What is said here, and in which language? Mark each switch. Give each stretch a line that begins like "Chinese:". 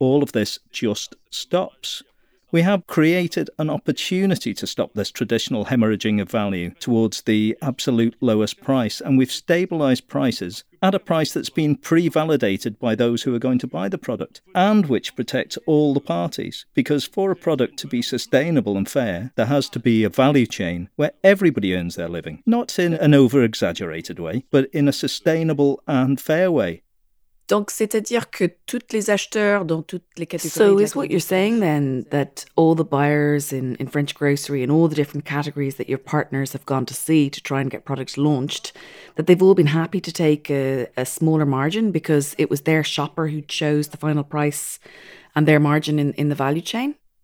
English: All of this just stops. We have created an opportunity to stop this traditional hemorrhaging of value towards the absolute lowest price, and we've stabilized prices at a price that's been pre-validated by those who are going to buy the product and which protects all the parties. Because for a product to be sustainable and fair, there has to be a value chain where everybody earns their living, not in an over-exaggerated way, but in a sustainable and fair way.
French: Donc, c'est-à-dire que toutes les acheteurs dans toutes les catégories.
English: So is what you're saying then that all the buyers in French grocery and all the different categories that your partners have gone to see to try and get products launched, that they've all been happy to take a smaller margin because it was their shopper who chose the final price and their margin in the value chain?